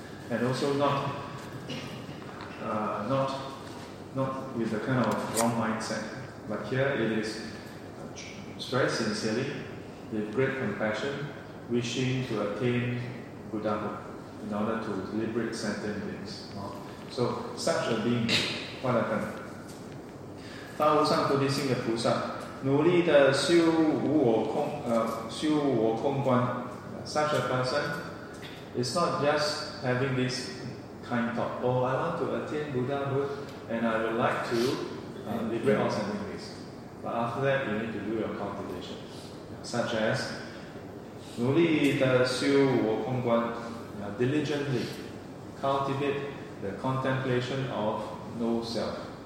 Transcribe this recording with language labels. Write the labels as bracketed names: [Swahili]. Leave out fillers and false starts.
[English] And also not with a kind of wrong mindset, but here it is very sincerely, with great compassion, wishing to attain Buddhahood in order to liberate sentient beings. So, such a being, what happened? [Chinese] 发无上菩提心的菩萨，努力的修我空观。 [English] Such a person is not just having this kind of thought, oh, I want to attain Buddhahood. And I would like to liberate all sentient beings. But after that, you need to do your cultivation. Such as, [Chinese] 努力的修我空观, [English] diligently cultivate the contemplation of no self.